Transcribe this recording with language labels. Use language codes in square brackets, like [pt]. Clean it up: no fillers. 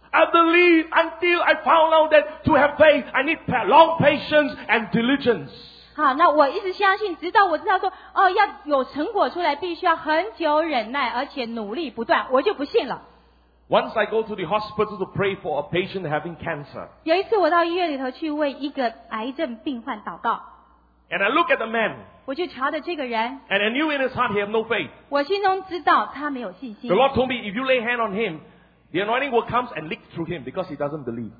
[en] I believe until I found out that to have faith, I need long patience and diligence. [zh] 好，那我一直相信，直到我知道说，哦，要有成果出来，必须要很久忍耐，而且努力不断，我就不信了。 [en] Once I go to the hospital to pray for a patient having cancer. [zh] 有一次我到医院里头去为一个癌症病患祷告。 [en] And I look at the man. And I knew in his heart he had no faith. The Lord told me, if you lay hand on him, the anointing will come and leak through him because he doesn't believe.